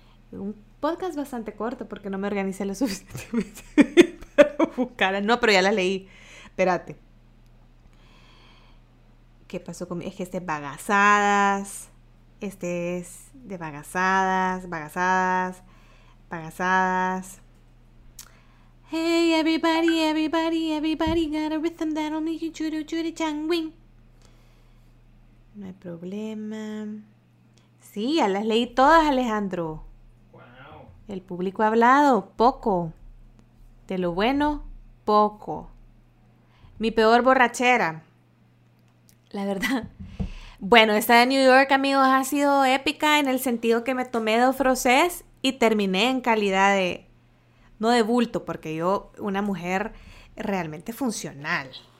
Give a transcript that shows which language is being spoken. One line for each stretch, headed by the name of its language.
Spanish: Un podcast bastante corto porque no me organicé lo suficientemente para buscarla. No, pero ya la leí. Espérate. ¿Qué pasó con mi? Es que este es bagazadas. Este es de bagazadas, bagazadas, bagazadas.
English: Hey, everybody, everybody, everybody got a rhythm that'll make you churu churi changuin.
Spanish: No hay problema. Sí, ya las leí todas, Alejandro. El público ha hablado poco. De lo bueno, poco. Mi peor borrachera. La verdad. Bueno, esta de New York, amigos, ha sido épica en el sentido que me tomé dos frosés y terminé en calidad de, no de bulto, porque yo, una mujer realmente funcional.